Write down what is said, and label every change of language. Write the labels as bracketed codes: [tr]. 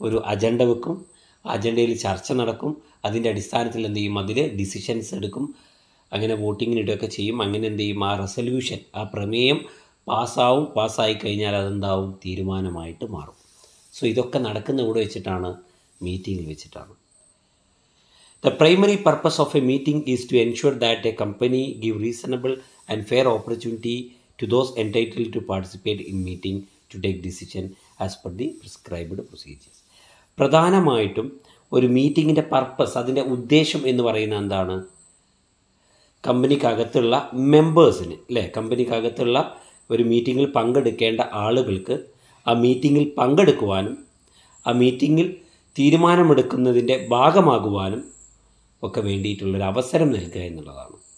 [ml] ഒരു അജണ്ട വെക്കും, അജണ്ടയിൽ ചർച്ച നടക്കും, അതിൻ്റെ അടിസ്ഥാനത്തിൽ എന്ത് ചെയ്യും? അതിൽ ഡിസിഷൻസ് എടുക്കും, അങ്ങനെ വോട്ടിങ്ങിനിടുകയൊക്കെ ചെയ്യും. അങ്ങനെ എന്ത് ചെയ്യും? ആ റെസൊല്യൂഷൻ, ആ പ്രമേയം പാസ്സാവും. പാസ്സായി കഴിഞ്ഞാൽ അതെന്താവും? തീരുമാനമായിട്ട് മാറും. സോ ഇതൊക്കെ നടക്കുന്ന കൂടെ വെച്ചിട്ടാണ്, മീറ്റിങ്ങിൽ വെച്ചിട്ടാണ്. [en] The primary purpose of a meeting is to ensure that a company give reasonable and fair opportunity to those entitled to participate in meeting to take decision as per the prescribed procedures. [ml] പ്രധാനമായിട്ടും ഒരു മീറ്റിങ്ങിൻ്റെ purpose, അതിൻ്റെ ഉദ്ദേശം എന്ന് പറയുന്നത് എന്താണ്? കമ്പനിക്കകത്തുള്ള മെമ്പേഴ്സിന് അല്ലേ, കമ്പനിക്കകത്തുള്ള ഒരു മീറ്റിങ്ങിൽ പങ്കെടുക്കേണ്ട ആളുകൾക്ക് ആ മീറ്റിങ്ങിൽ പങ്കെടുക്കുവാനും ആ മീറ്റിങ്ങിൽ തീരുമാനമെടുക്കുന്നതിൻ്റെ ഭാഗമാകുവാനും ഒക്കെ വേണ്ടിയിട്ടുള്ളൊരു അവസരം നൽകുക എന്നുള്ളതാണ്.